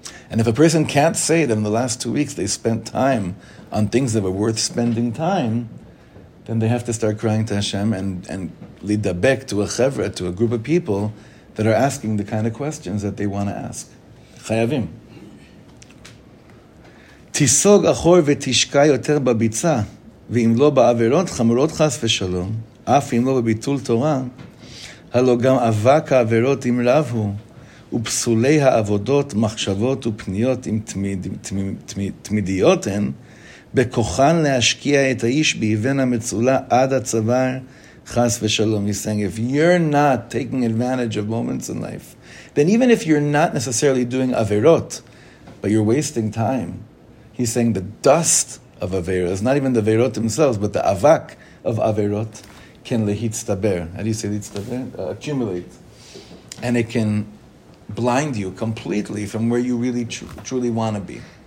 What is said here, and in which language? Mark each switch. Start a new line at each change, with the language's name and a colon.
English: And if a person can't say that in the last 2 weeks they spent time on things that were worth spending time, then they have to start crying to Hashem and lead the bek to a chevra, to a group of people that are asking the kind of questions that they want to ask.
Hebrew: Chayavim. Tisog achor v'tishka yoter babitza v'im lo ba'averot chamurot chas v'shalom af im lo b'bitul Torah halo gam avak ha'averot im ravu ופסולי העבודות, מחשבות ופניות עם תמיד, תמיד, תמיד, תמידיות הן, בכוחן להשקיע את האיש באבן המצולה עד הצוואר, חס ושלום.
English: He's saying, if you're not taking advantage of moments in life, then even if you're not necessarily doing averot, but you're wasting time, he's saying the dust of averot, not even the averot themselves, but the avak of averot, can להצטבר. How do you say להצטבר? Accumulate. And it can blind you completely from where you really truly want to be.